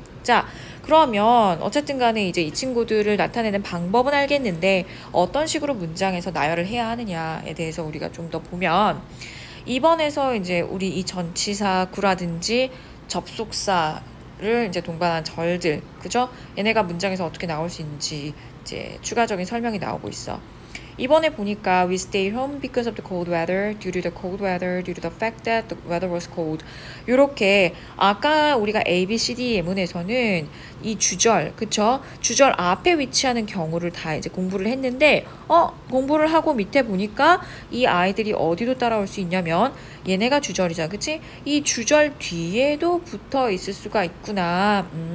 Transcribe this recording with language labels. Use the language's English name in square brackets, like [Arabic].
[Korean] 자, 그러면 어쨌든 간에 이제 이 친구들을 나타내는 방법은 알겠는데 어떤 식으로 문장에서 나열을 해야 하느냐에 대해서 우리가 좀 더 보면 이번에서 이제 우리 이 전치사 구라든지 접속사를 이제 동반한 절들, 그죠? 얘네가 문장에서 어떻게 나올 수 있는지 이제 추가적인 설명이 나오고 있어. 이번에 보니까 [English] we stayed home because of the cold weather, due to the cold weather, due to the fact that the weather was cold. [Korean] 이렇게 아까 우리가 A, B, C, D 예문에서는 이 주절, 그쵸? 주절 앞에 위치하는 경우를 다 이제 공부를 했는데 공부를 하고 밑에 보니까 이 아이들이 어디로 따라올 수 있냐면 얘네가 주절이잖아, 그치? 이 주절 뒤에도 붙어 있을 수가 있구나.